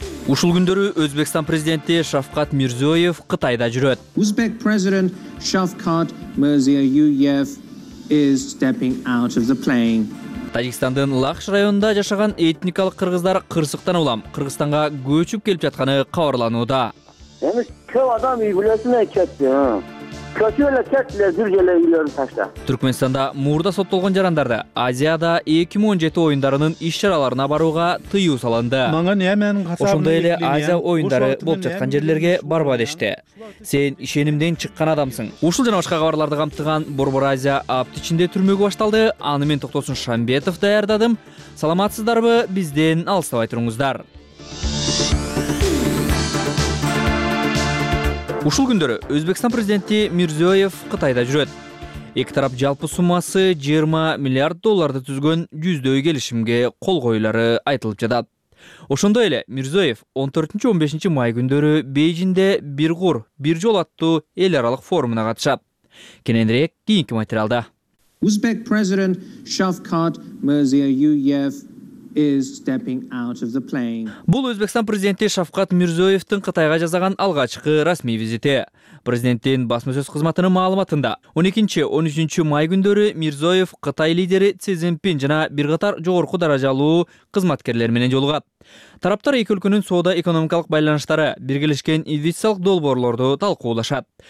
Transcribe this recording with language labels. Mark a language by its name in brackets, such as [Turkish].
[Kyrgyz] Ушул күндөрү Өзбекстан президенти Шавкат Мирзиёев Кытайда жүрөт. [English] Uzbek President Shavkat Mirziyoyev is stepping out of the plane. [Kyrgyz] Тажикстандын Лахш районунда жашаган этникалык кыргыздар кырсыктан улам Кыргызстанга көчүп келип жатканы кабарланууда. Эми көп адам үйлөсүнө кетти. Көчүп эле кетти, жүргөлө үйлөрүн ташташты. Түркмөнстанда муурда соттолгон жарандарды Азияда 2017 оюндарынын иш-чараларына барууга тыюу салынды. Ошондой эле Азия оюндары болуп жаткан жерлерге барба дешти. Сен ишенимден чыккан адамсың. Ушул жана башка кабарларды камтыган Борбор Азия апт ичинде түрмөгү башталды. Аны мен Токтосун Шамбетов даярдадым. Саламатсыздарбы? Бизден алыстабай туруңуздар. Ушул күндөрү Өзбекстан президенти Мирзиёев Кытайда жүрөт. Эки тарап жалпы суммасы 20 миллиард долларды түзгөн жүздөй келишимге кол коюулары айтылып жатат. Ошондой эле Мирзиёев 14-15 май күндөрү Бейжинде Бир кур, бир жол аттуу эл аралык форумуна катышат. Кененирээк кийинки материалда. [English] Uzbek President Shavkat Mirziyoyev is stepping out of the plane. [Kyrgyz] Бул Өзбекстан президенти Шавкат Мирзиёевдин Кытайга жасаган алгачкы расмий визити. Президенттин басма сөз кызматынын маалыматында 12-13 май күндөрү Мирзиёев Кытай лидери Си Цзиньпин жана бир катар жогорку даражалуу кызматкерлер менен жолугат. Тараптар эки өлкөнүн соода-экономикалык байланыштары, биргелешкен инвестициялык долбоорлорду талкуулашат.